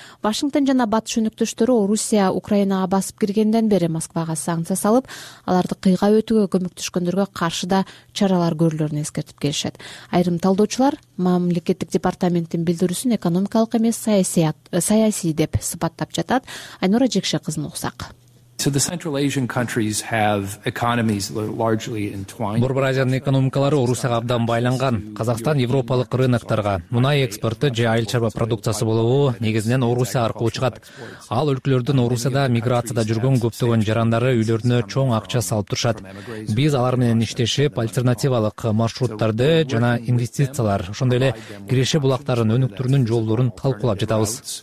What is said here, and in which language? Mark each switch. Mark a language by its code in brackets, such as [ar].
[ky] Вашингтон жана батыш өнөктөштөрү Орусия Украинага басып киргенден бери Москвага санкция салып, аларды кыйга өтүүгө көмөктөшкөндөргө каршы да чаралар көрүлөрүн эскертип келишет. Айрым талдоочулар мамлекеттик департаменттин билдирүүсү экономикалык эмес, саясий деп сыпаттап жатат. Айнура Жекше кызын уксак. [en] So the Central Asian countries have economies largely entwined. [ky] Борбор Азиянын экономикалары Орусияга абдан байланган. Казакстан европалык рынокторго мунай экспорту же айыл чарба продукциясы болобу негизинен Орусия аркылуу чыгат. Ал өлкөлөрдүн Орусияда миграцияда жүргөн көптөгөн жарандары үйлөрүнө чоң акча салып турушат. Биз алар менен иштешип, альтернативалык маршруттарды жана инвестициялар, ошондой эле киреше булактарын өнүктүрүүнүн жолдорун талкуулап жатабыз.